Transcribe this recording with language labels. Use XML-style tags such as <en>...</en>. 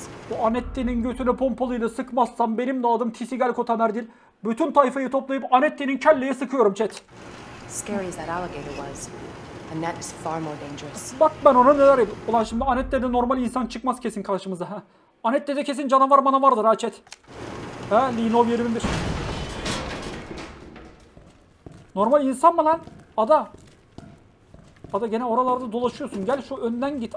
<tr>Bu Anette'nin götünü pompalıyla sıkmazsan benim de adım Tisigal Kotamerdil. Bütün tayfayı toplayıp Anette'nin kelleye sıkıyorum chat.</tr> <en>Scary as that alligator was. Annette is far more dangerous.</en> <tr>Bak ben ona neler yapayım. Ulan şimdi Anette'de normal insan çıkmaz kesin karşımıza ha. Anette'de kesin canavar bana vardır ha chat. Ha Linov 21. Normal insan mı lan? Ada. Ada gene oralarda dolaşıyorsun. Gel şu önden git.</tr>